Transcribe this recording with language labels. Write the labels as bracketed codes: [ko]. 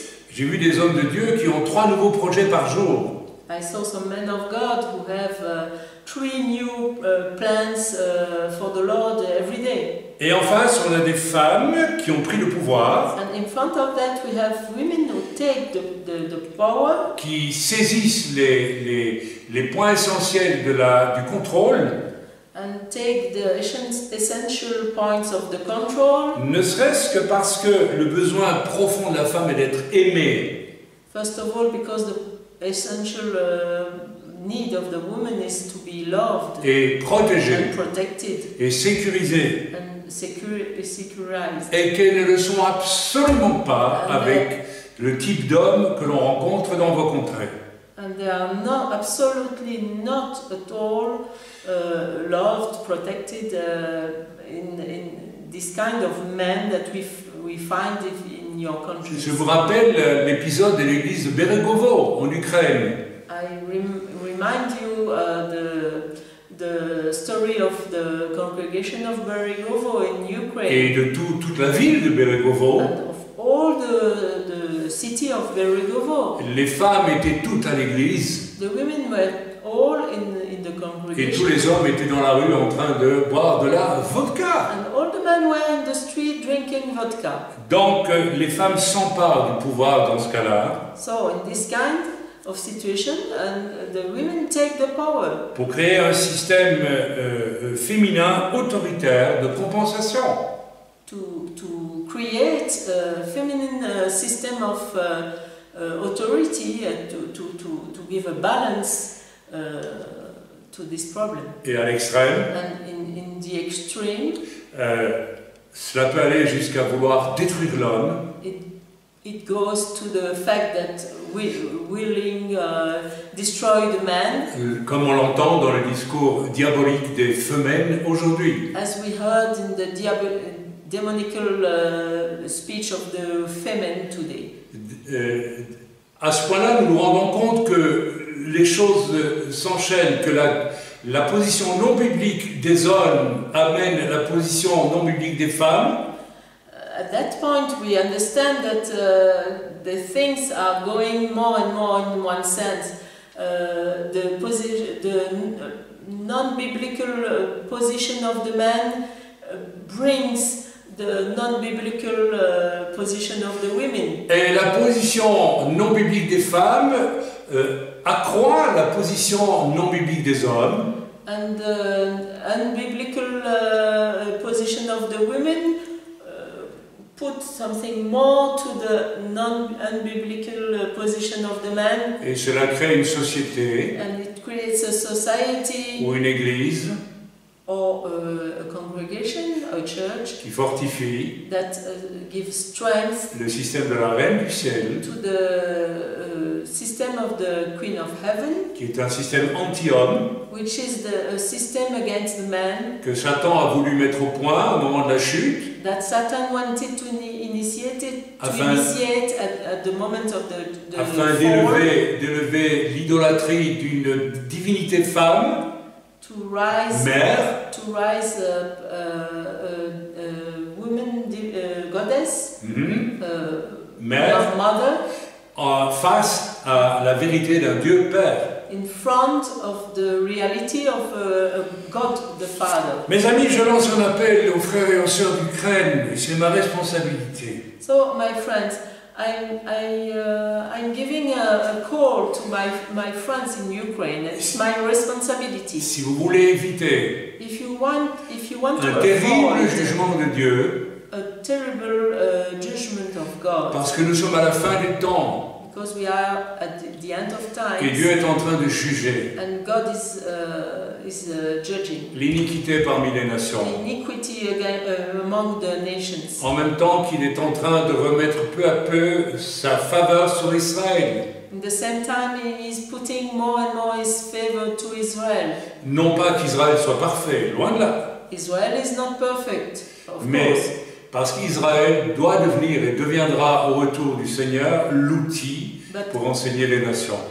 [fr] J'ai vu des hommes de Dieu qui ont trois nouveaux projets par jour. [en] I saw some men of God who have three new plans for the Lord every day. [fr] Et en face, on a des femmes qui ont pris le pouvoir. [en] And in front of that, we have women who take the power. [fr] Qui saisissent les points essentiels du contrôle. [en] And take the essential points of the control. [fr] Ne serait-ce que parce que le besoin profond de la femme est d'être aimée. [en] First of all, because the essential need of the woman is to be loved, [fr] et protégée, [en] and protected, [fr] et sécurisée, [en] and sécurisée, [fr] et qu'elles ne le sont absolument pas avec le type d'homme que l'on rencontre dans vos contrées. [en] And they are not, absolutely not at all loved, protected in this kind of man that we find in your country. [fr] Je vous rappelle l'épisode de l'église de Beregovo en Ukraine. [en] Remind you the story of the congregation of Beregovo in Ukraine. [fr] Et de toute la ville de Beregovo. [en] Of all the city of Beregovo. [fr] Les femmes étaient toutes à l'église. [en] The women were all in the congregation. [fr] Et tous les hommes étaient dans la rue en train de boire de la vodka. [en] And all the men were in the street drinking vodka. [fr] Donc les femmes s'emparent du pouvoir dans ce cas-là. [en] So in this kind of situation, and the women take the power. [fr] Pour créer un système féminin autoritaire de compensation. [en] To create a feminine system of authority and to give a balance to this problem. [fr] Et à l'extrême. [en] And in the extreme. [fr] Cela peut aller jusqu'à vouloir détruire l'homme. [en] It goes to the fact that willing destroy the man, [fr] comme on l'entend dans le discours diabolique des femelles aujourd'hui. [en] As we heard in the demonical speech of the femen today. [fr] À ce point-là, nous nous rendons compte que les choses s'enchaînent, que la position non biblique des hommes amène la position non biblique des femmes. [en] At that point, we understand that the things are going more and more in one sense. The position, the non-biblical position of the man brings the non-biblical position of the women. [fr] Et la position non-biblique des femmes accroît la position non biblique des hommes. [en] And the unbiblical position of the women put something more to the non-unbiblical position of the man. [fr] Et cela crée une société. [en] And it creates a society. [fr] Ou une église. [en] Or a congregation, a church. [fr] Qui fortifie. [en] That gives strength. [fr] Le système de la reine du ciel. [en] To the system of the Queen of Heaven. [fr] Qui est un système anti-homme. [en] Which is the system against the man. [fr] Que Satan a voulu mettre au point au moment de la chute. [en] That Satan wanted to initiate it, to initiate at the moment of the [fr] afin d'élever l'idolâtrie d'une divinité de femme. [en] To rise [fr] mère. [en] To rise a woman goddess. [fr] Mm-hmm. Mère. [en] Mother. [fr] Face à la vérité d'un Dieu Père. [en] In front of the reality of God the Father. [fr] Mes amis, je lance un appel aux frères et aux sœurs d'Ukraine, et c'est ma responsabilité. [en] So, my friends, I'm giving a call to my friends in Ukraine. It's my responsibility. [fr] Si vous voulez éviter un terrible jugement de Dieu. [en] A terrible judgment of God. [fr] Parce que nous sommes à la fin des temps. [en] Because we are at the end of time. [fr] Et Dieu est en train de juger. [en] And God is judging. [fr] L'iniquité parmi les nations. [en] Iniquity again, among the nations. [fr] En même temps qu'il est en train de remettre peu à peu sa faveur sur Israël. [en] In the same time he is putting more and more his favor to Israel. [fr] Non pas qu'Israël soit parfait, loin de là. [en] Israel is not perfect, of [fr] Mais [en] course. [fr] Parce qu'Israël doit devenir et deviendra au retour du Seigneur l'outil pour enseigner les nations.